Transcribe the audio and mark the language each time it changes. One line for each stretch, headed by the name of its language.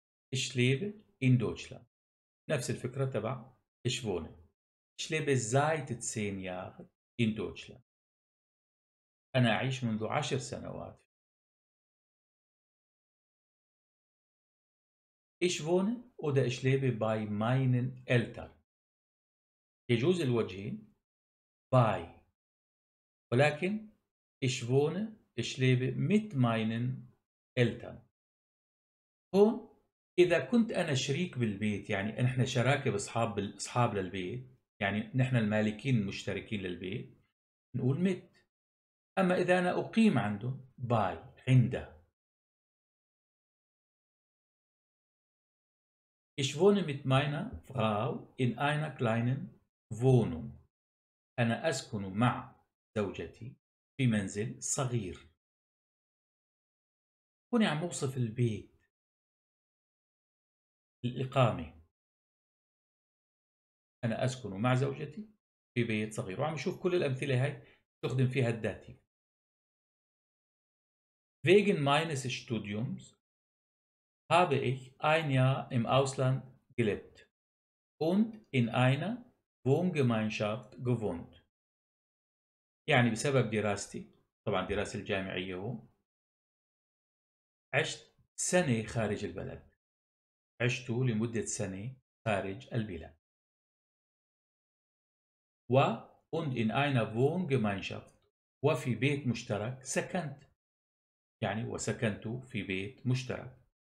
German: Ich lebe in Deutschland.
Arabic: نفس الفكرة تبع
German: ich wohne. Ich lebe seit 10 Jahren in Deutschland.
Arabic: أنا أعيش منذ 10 سنوات.
German: Ich wohne oder ich lebe bei meinen Eltern.
Arabic: يجوز الوجهين باي، ولكن
German: ich wohne ich lebe mit meinen Eltern.
Arabic: هون اذا كنت انا شريك بالبيت، يعني نحن شراكه باصحاب للبيت، يعني نحن المالكين المشتركين للبيت، نقول mit. اما اذا انا اقيم عنده باي عنده.
German: ich wohne mit meiner Frau in einer kleinen wohnung.
Arabic: انا اسكن مع زوجتي في منزل صغير. هون عم اوصف البيت الاقامه، انا اسكن مع زوجتي في بيت صغير، وعم نشوف كل الامثله هاي تخدم فيها الداتي.
German: wegen meines studiums habe ich ein jahr im ausland gelebt und in einer Wohngemeinschaft gewohnt.
Arabic: يعني بسبب دراستي، طبعا دراسة الجامعية، عشت سنة خارج البلد، عشت لمدة سنة خارج البلاد. و
German: und in einer Wohngemeinschaft،
Arabic: وفي بيت مشترك سكنت، يعني وسكنت في بيت مشترك.